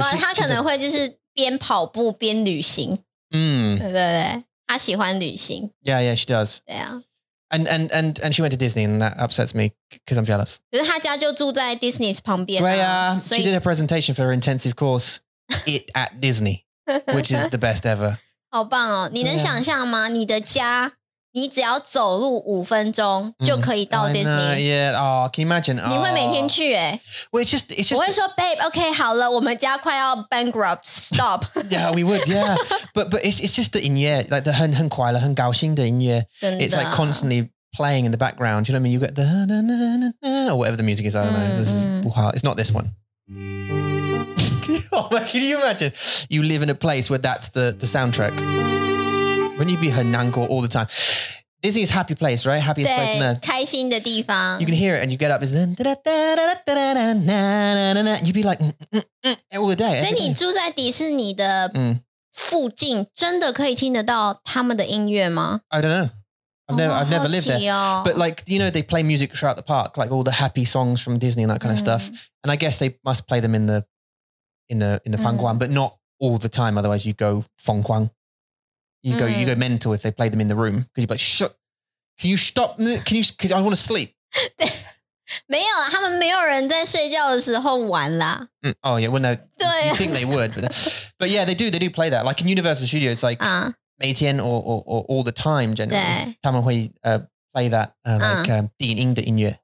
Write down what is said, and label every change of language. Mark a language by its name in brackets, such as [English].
[Chinese] 他可能会就是边跑步边旅行。对对对，她喜欢旅行。 [English] Yeah, yeah, she does. [Chinese] 对啊 [English] and she went to Disney, and that upsets me because I'm jealous. [Chinese] 可是她家就住在 Disney 旁边、啊。对啊，所以 [English] she did a presentation for her intensive course it at Disney, which is the best ever. [Chinese] 好棒哦！你能想象吗？ Yeah. 你的家，你只要走路五分钟就可以到 Disney. [English] Yeah, oh, can you imagine? [Chinese] Oh. 你会每天去哎、欸？ [English] Well, it's just. [Chinese] 我会说 ， [English] Babe, OK, [Chinese] 好了，我们家快要 bankrupt, stop. [English] Yeah, we would. Yeah, but it's just the 音乐 like the [Chinese] 很快乐很高兴的音乐 [English] It's like constantly playing in the background. You know what I mean? You get the na, na, na, na, or whatever the music is. I don't know. This is, it's not this one. Oh, can you imagine? You live in a place where that's the soundtrack. Wouldn't you be [Chinese] 很难过 [English] all the time? Disney is a happy place, right? Happiest place in earth. [Chinese] 开心的地方 [English] You can hear it and you get up. You'd be like, all the day. [Chinese] 所以你住在迪士尼的附近真的可以听得到他们的音乐吗 [English] I don't know. I've never lived there. But like, you know, they play music throughout the park, like all the happy songs from Disney and that kind of stuff. And I guess they must play them in the 放光 but not all the time. Otherwise you go 放光You go mental if they play them in the room. Because you're like, shut. Can you stop? I want to sleep. [Chinese] 没有他们没有人在睡觉的时候玩啦。 [English] Oh, yeah. Well, no. You think they would. But yeah, they do play that. Like in Universal Studios, like 每天 or all the time, generally. [Chinese] 他们会 [English] play that, like [Chinese] 电音的音乐。